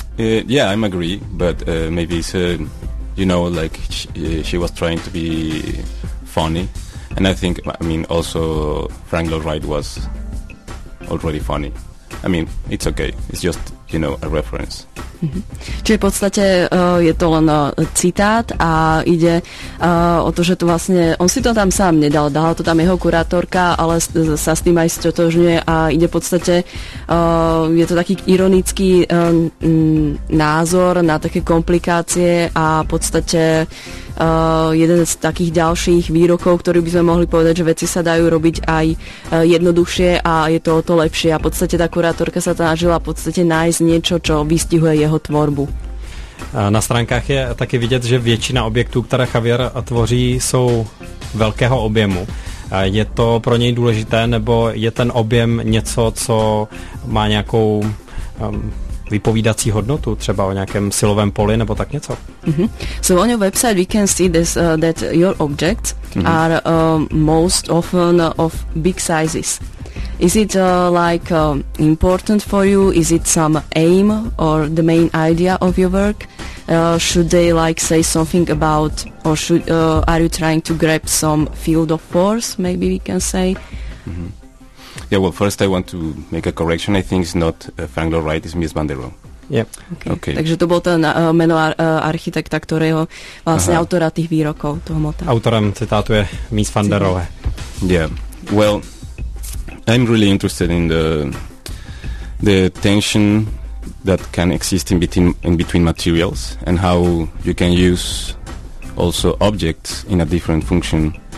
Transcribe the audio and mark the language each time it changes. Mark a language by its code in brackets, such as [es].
[en] Yeah, I'm agree, but maybe it's you know, like she was trying to be funny. And I think, I mean, also Frank Lloyd Wright was already funny. I mean, it's okay. It's just, you know, a reference. Mm-hmm. [sk] Čiže v podstate je to len citát a ide o to, že to vlastne, on si to tam sám nedal, dala to tam jeho kurátorka, ale sa s tým aj stotožňuje a ide v podstate, je to taký ironický názor na také komplikácie a v podstate jeden z takých ďalších výrokov, ktorý by sme mohli povedať, že veci sa dajú robiť aj jednoduchšie a je to o to lepšie. A v podstate tá kurátorka sa snažila v podstate nájsť niečo, čo vystihuje jeho tvorbu. [cs] Na stránkách je taky vidět, že většina objektů, které Javier tvoří, jsou velkého objemu. Je to pro něj důležité, nebo je ten objem něco, co má nějakou vypovídací hodnotu, třeba o nějakém silovém poli nebo tak něco. Mm-hmm. [en] So on your website we can see this, that your objects mm-hmm. are most often of big sizes. Is it like important for you? Is it some aim or the main idea of your work? Should they like say something about, or should are you trying to grab some field of force, maybe we can say? Mm-hmm. Yeah, well, first I want to make a correction. I think it's not Frank Lloyd Wright, it's Mies van der Rohe. Yeah. Okay. [cs] Takže to bylo ten jméno architekta, kterého vlastně aha. autora těch výroků, toho mota. Autorem citátu je Mies van der Rohe. [en] Yeah, well, I'm really interested in the tension that can exist in between materials and how you can use also objects in a different function.